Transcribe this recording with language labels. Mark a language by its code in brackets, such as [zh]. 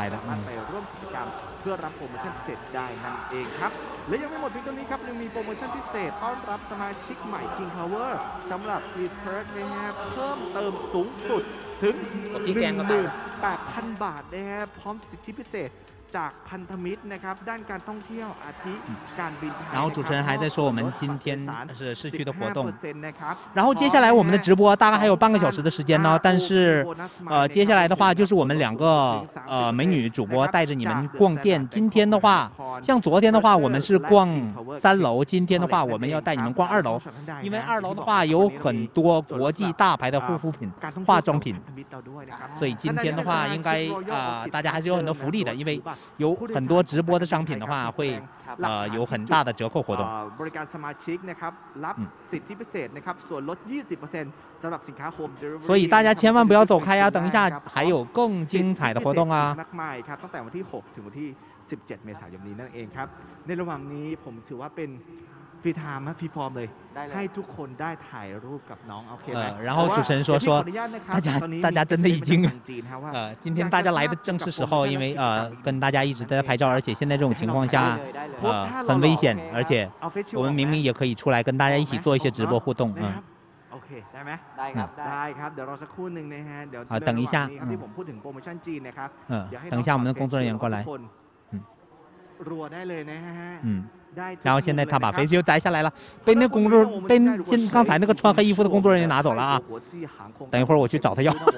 [th] มาไปร่วมกิจกรรมเพื่อรับโปรโมชั่นพิเศษได้นั่นเองครับและยังไม่หมดเพียงเท่านี้ครับยังมีโปรโมชั่นพิเศษต้อนรับสมาชิกใหม่ King Power สำหรับ Eat Perk นะฮะเพิ่มเติมสูงสุดถึง 18,000 บาทนะฮะพร้อมสิทธิพิเศษ จากพันธมิตรนะครับด้านการท่องเที่ยวอาทิการบิน ไทยแล้ว [zh] 主持人还在说我们今天是市区的活动然后接下来我们的直播大概还有半个小时的时间呢但是接下来的话就是我们两个美女主播带着你们逛店今天的话像昨天的话我们是逛三楼今天的话我们要带你们逛二楼因为二楼的话有很多国际大牌的护肤品化妆品所以今天的话应该大家还是有很多福利的因为有很多直播的商品的话会有很大的折扣活动 [th] บริการสมาชิกนะครับรับสิทธิพิเศษนะครับส่วนลด 20% สําหรับสินค้า Home Delivery [zh] 所以大家千万不要走开啊等一下还有更精彩的活动啊 [th] มากมายครับตั้งแต่วันที่6ถึงวันที่17เมษายนนี้นั่นเองครับในระหว่างนี้ผมถือว่าเป็นฟรีไทม์ฟรีฟอร์มเลยให้ทุกคนได้ถ่ายรูปกับน้องโอเคไหม [zh] 然后主持人说大家真的已经今天大家来的正是时候因为跟大家一直在拍照而且现在这种情况下很危险而且我们明明也可以出来跟大家一起做一些直播互动 [th] โอเคได้ไหม ได้ครับ ได้ครับเดี๋ยวรอสักครู่นึงนะฮะเดี๋ยว ต้อง ร อที่ผมพูดถึงโปรโมชั่นจีนนะครับ [zh] 等一下我们的工作人员过来 [th] รัวได้เลยนะฮะ [zh] 然后现在他把飞机又摘下来了被那工作被进刚才那个穿黑衣服的工作人员拿走了啊等一会儿我去找他要